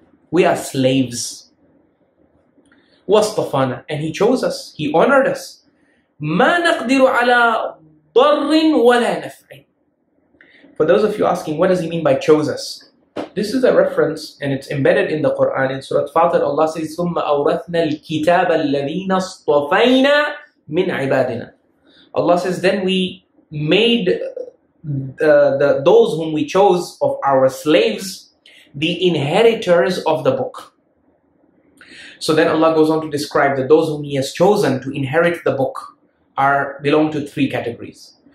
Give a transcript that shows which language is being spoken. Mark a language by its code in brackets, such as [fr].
[en] We are slaves. وَاصْطَفَانَا. And He chose us. He honored us. [ar] مَا نَقْدِرُ عَلَى ضَرٍ وَلَا نَفْعٍ. [en] For those of you asking, what does He mean by chose us? This is a reference and it's embedded in the Quran. In Surah Fatir, Allah says, [ar] ثُمَّ أَوْرَثْنَا الْكِتَابَ الَّذِينَ اصْطَفَيْنَا مِنْ عِبَادِنَا. [en] Allah says, then we made those whom we chose of our slaves the inheritors of the book. So then Allah goes on to describe that those whom He has chosen to inherit the book belong to three categories.